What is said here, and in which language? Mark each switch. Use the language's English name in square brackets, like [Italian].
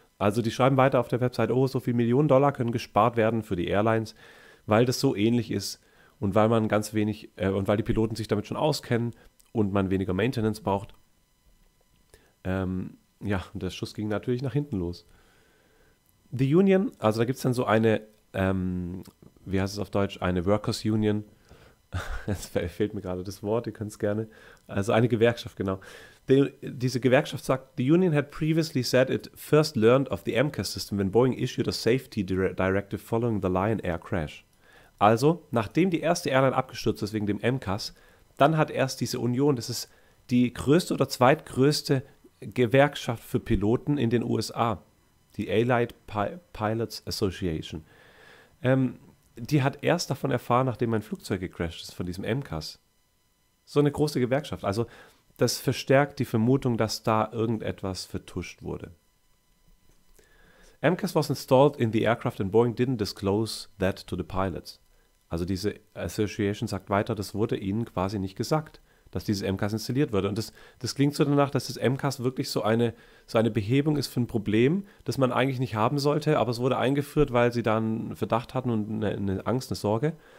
[German] Also die schreiben weiter auf der Website, oh, so viel Millionen Dollar können gespart werden für die Airlines, weil das so ähnlich ist und weil man ganz wenig, und weil die Piloten sich damit schon auskennen und man weniger Maintenance braucht. Ja, und der Schuss ging natürlich nach hinten los. The Union, also da gibt es dann so eine, wie heißt es auf Deutsch, eine Workers Union. Es fehlt mir gerade das Wort, ihr könnt es gerne. Also eine Gewerkschaft, genau. Diese Gewerkschaft sagt, [English] the Union had previously said it first learned of the MCAS system when Boeing issued a safety directive following the Lion Air crash. [German] Also, nachdem die erste Airline abgestürzt ist wegen dem MCAS, dann hat erst diese Union, das ist die größte oder zweitgrößte Gewerkschaft für Piloten in den USA, die Allied Pilots Association. Die hat erst davon erfahren, nachdem mein Flugzeug gecrashed ist, von diesem MCAS. So eine große Gewerkschaft. Also das verstärkt die Vermutung, dass da irgendetwas vertuscht wurde. [English] MCAS was installed in the aircraft and Boeing didn't disclose that to the pilots. [German] Also diese Association sagt weiter, das wurde ihnen quasi nicht gesagt, dass dieses MCAS installiert wurde. Und das klingt so danach, dass das MCAS wirklich so eine Behebung ist für ein Problem, das man eigentlich nicht haben sollte, aber es wurde eingeführt, weil sie dann Verdacht hatten und eine Angst, eine Sorge.